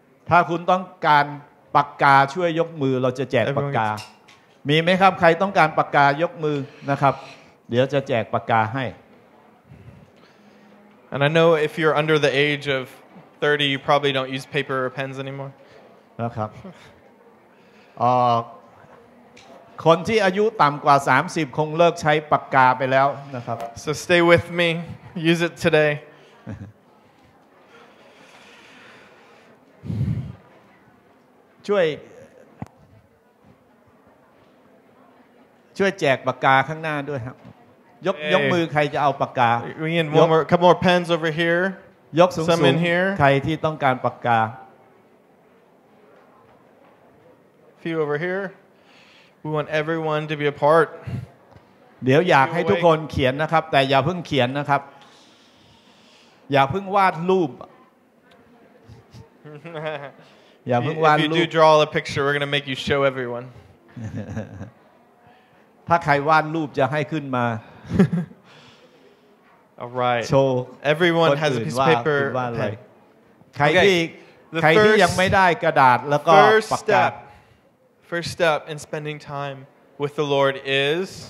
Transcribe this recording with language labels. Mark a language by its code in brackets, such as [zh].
[th] ถ้าคุณต้องการปากกาช่วยยกมือเราจะแจกปากกามีไหมครับใครต้องการปากกายกมือนะครับเดี๋ยวจะแจกปากกาให้ [en] And I know if you're under the age of 30, you probably don't use paper or pens anymore. [th] นะครับคนที่อายุต่ำกว่า30คงเลิกใช้ปากกาไปแล้วนะครับ [en] So stay with me. Use it today. [th] ช่วย ช่วยแจกปากกาข้างหน้าด้วยครับยกยกมือใครจะเอาปากกา [en] We need one more couple more pens over here [th] ยกสูงๆใครที่ต้องการปากกา [en] Few over here We want everyone to be a part [th] เดี๋ยวอยากให้ทุกคนเขียนนะครับแต่อย่าเพิ่งเขียนนะครับอย่าเพิ่งวาดรูปอย่าเพิ่งวาดรูป [en] If you do draw a picture we're going to make you show everyone [th] ถ้าใครวาดรูปจะให้ขึ้นมา [en] All right so everyone has a piece of paper [th] ใครที่ใครที่ยังไม่ได้กระดาษแล้วก็ปากกา [en] First step in spending time with the Lord is